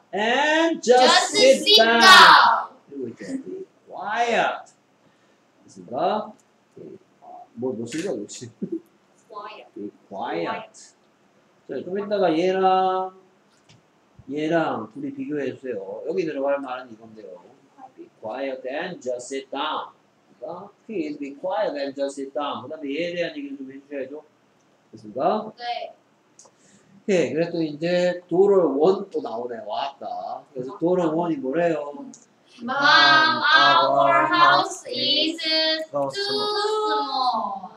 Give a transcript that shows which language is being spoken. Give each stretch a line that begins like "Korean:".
English: and just sit down.
Korean: 이러고 있죠. Quiet. 됐습니까? 뭐 쓴 거야, 뭐지?
English: Quiet. Quiet.
Korean: 자, 좀 이따가 얘랑 둘이 비교해 주세요. 여기 들어갈 말은 이건데요.
English: Be quiet and just sit down. 그러니까 please be quiet and just sit down.
Korean: 그다음에 얘에 대한 얘기 좀 해주셔야죠. 됐습니까? 네. 네. 그래도 이제 도를 원 또 나오네. 왔다. 그래서 도를 원이 뭐래요?
English: Mom, our house is too small.